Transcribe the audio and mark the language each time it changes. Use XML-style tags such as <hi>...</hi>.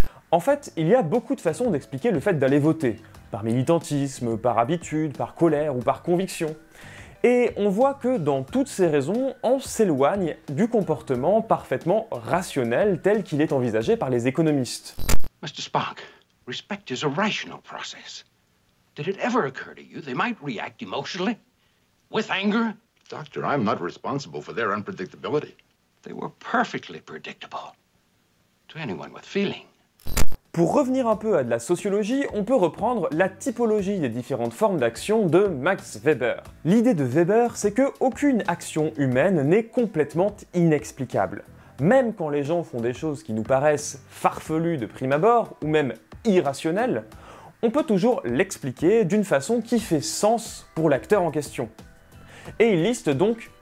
<fr>En fait, il y a beaucoup de façons d'expliquer le fait d'aller voter. Par militantisme, par habitude, par colère ou par conviction. Et on voit que dans toutes ces raisons, on s'éloigne du comportement parfaitement rationnel tel qu'il est envisagé par les économistes.</fr> <en>Mr. Spock, respect is a rational process. Did it ever occur to you they might react emotionally? With anger? Doctor, I'm not responsible for their unpredictability. They were perfectly predictable to anyone with feeling.</en> <fr>Pour revenir un peu à de la sociologie, on peut reprendre la typologie des différentes formes d'action de Max Weber. L'idée de Weber, c'est qu'aucune action humaine n'est complètement inexplicable. Même quand les gens font des choses qui nous paraissent farfelues de prime abord, ou même irrationnelles, on peut toujours l'expliquer d'une façon qui fait sens pour l'acteur en question. Et il liste donc</fr>